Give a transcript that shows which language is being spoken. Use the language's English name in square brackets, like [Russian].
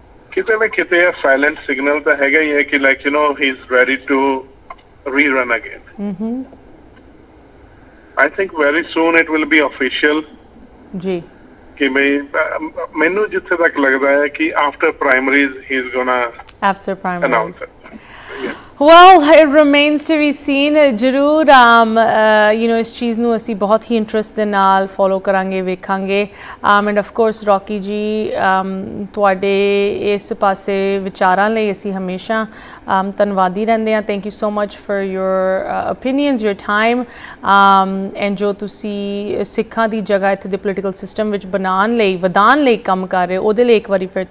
[Punjabi] ਕਿਤੇ ਨਾ ਕਿਤੇ ਇਹ ਸਾਇਲੈਂਟ ਸਿਗਨਲ ਤਾਂ ਹੈਗਾ ਹੀ ਹੈ ਕਿ [English] Like you know he is ready to rerun again. I think very soon it will be official [Punjabi] ਜੀ, ਕਿ ਮੈਂ ਮੈਨੂੰ ਜਿੱਥੇ ਤੱਕ ਲੱਗਦਾ ਹੈ ਕਿ after ਪ੍ਰਾਇਮਰੀਜ਼ [English] He is gonna after primaries Well, it remains to be seen. [Punjabi] ਜ਼ਰੂਰ, [English] you know, [Punjabi] ਇਸ ਚੀਜ਼ ਨੂੰ ਅਸੀਂ ਬਹੁਤ ਹੀ interest ਦੇ ਨਾਲ follow ਕਰਾਂਗੇ, ਵੇਖਾਂਗੇ. [English] And of course, [Punjabi] Rocky ਜੀ, ਤੁਹਾਡੇ ਇਸ ਪਾਸੇ ਵਿਚਾਰਾਂ ਲਈ ਅਸੀਂ ਹਮੇਸ਼ਾ ਤਨਵਾਦੀ ਰਹਿੰਦੇ ਹਾਂ. [English] Thank you so much for your opinions, your time. [Punjabi] And ਜੋ ਤੁਸੀਂ ਸਿੱਖਾਂ ਦੀ ਜਗ੍ਹਾ ਇੱਥੇ ਦੇ [English] political system [Punjabi] ਵਿੱਚ ਬਣਨ ਲਈ, ਵਧਣ ਲਈ ਕੰਮ ਕਰ ਰਹੇ, ਓਦੇ ਲਈ ਇੱਕ ਵਾਰੀ ਫਿਰ.